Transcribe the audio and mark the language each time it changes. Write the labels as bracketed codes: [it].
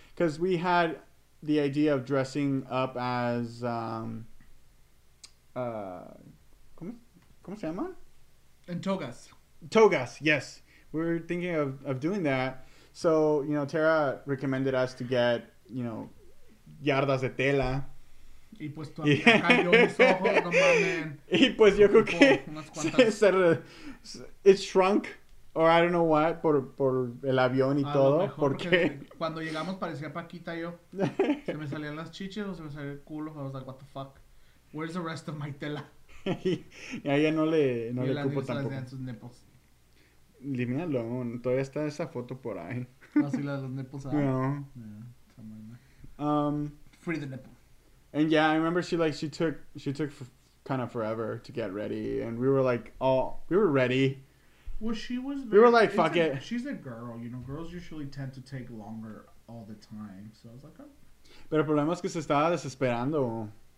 [en] Because we had the idea of dressing up as. [es] ¿Cómo se llama? En togas. [en] Togas, yes. We were thinking of doing that. So, you know, Tara recommended us to get, you know, [es] yardas de tela. Y pues tu amiga cayó mis ojos, no mames. Y pues yo creo que [en] it shrunk, or I don't know what, [es] por el avión y a todo. Mejor, porque cuando llegamos parecía Paquita y yo. Se me salían las chiches o se me salía el culo. [en] I was like, what the fuck? Where's the rest of my tela? [es] Y a ella no le las cupo tampoco. Las sus nipples. Dime a Lon, todavía está esa foto por ahí. Así la de los nipples. No. [en] Yeah. Free the nipple. And yeah, I remember she took kind of forever to get ready. And we were like, we were ready. Well, she was very, we were like, fuck it. She's a girl, you know. Girls usually tend to take longer all the time. So I was like, oh. [es] Pero el problema es que se estaba desesperando.